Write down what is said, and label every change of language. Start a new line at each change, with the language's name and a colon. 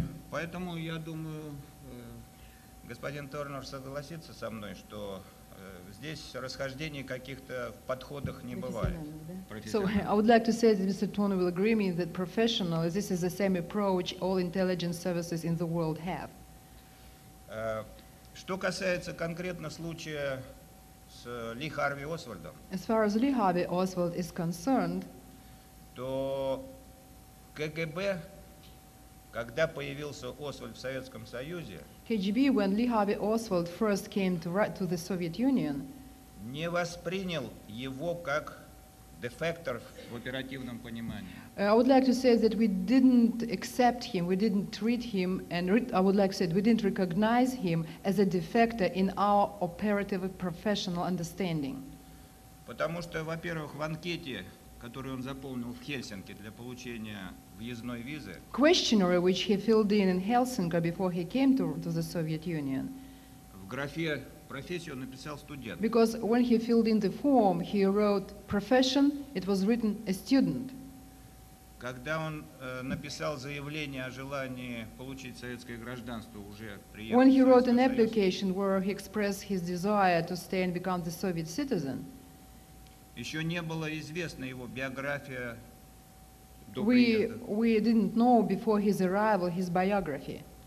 Russian: Поэтому я думаю, господин Торнер согласится со мной, что здесь расхождений каких-то в подходах не бывает.
English: So I would like to say that Mr. Turner will agree with me that professionally this is the same approach all intelligence services in the world have.
Russian: Что касается конкретно случая с Ли Харви Освальдом,
English: as far as Lee Harvey Oswald is concerned,
Russian: то КГБ, когда появился Освальд в Советском Союзе,
English: KGB, when Lee Harvey Oswald first came to the Soviet Union,
Russian: не воспринял его как дефектор в оперативном понимании.
English: I would like to say that we didn't accept him, we didn't treat him, and I would like to say that we didn't recognize him as a defector in our operative professional understanding.
Russian: Потому что, во-первых, в анкете, которую он заполнил в Хельсинки для получения въездной визы,
English: questionnaire, which he filled in Helsinki before he came to the Soviet Union,
Russian: в графе профессию он написал студент.
English: Because when he filled in the form, he wrote profession, it was written a student.
Russian: Когда он написал заявление о желании получить советское гражданство уже приехав.
English: When he wrote an application where he expressed his desire to stay and become the Soviet citizen.
Russian: Еще не была известна его биография до приезда.
English: We didn't know before his arrival his biography.